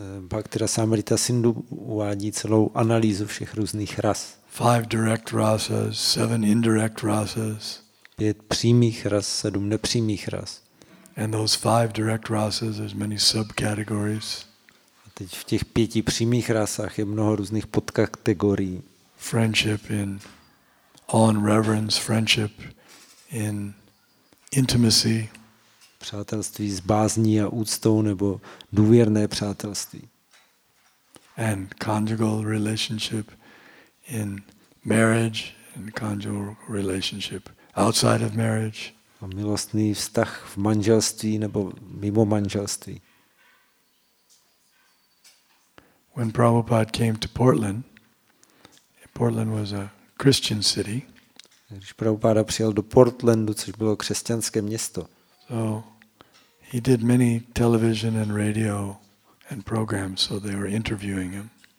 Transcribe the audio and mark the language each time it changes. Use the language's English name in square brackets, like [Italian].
[Czech] Bhaktira Samrita Sindhu uvádí celou analýzu všech různých ras. [English] 5 direct rasas, 7 indirect rasas. [Czech] 5 přímých ras, 7 nepřímých ras. [English] And those 5 direct rasas, there's many subcategories. [Czech] A teď v těch 5 přímých rasách je mnoho různých podkategorií. [English] Friendship in awe and reverence, friendship in intimacy. [Czech] Přátelství s bázní a úctou nebo důvěrné přátelství. [English] And conjugal relationship in marriage and conjugal relationship outside of marriage. [Czech] A milostný vztah v manželství nebo mimo manželství. [English] When Prabhupada came to Portland, Portland was a Christian city. [Czech] Když Prabhupada přijel do Portlandu, což bylo křesťanské město. [English] So he did many television and radio and programs, so they were interviewing him.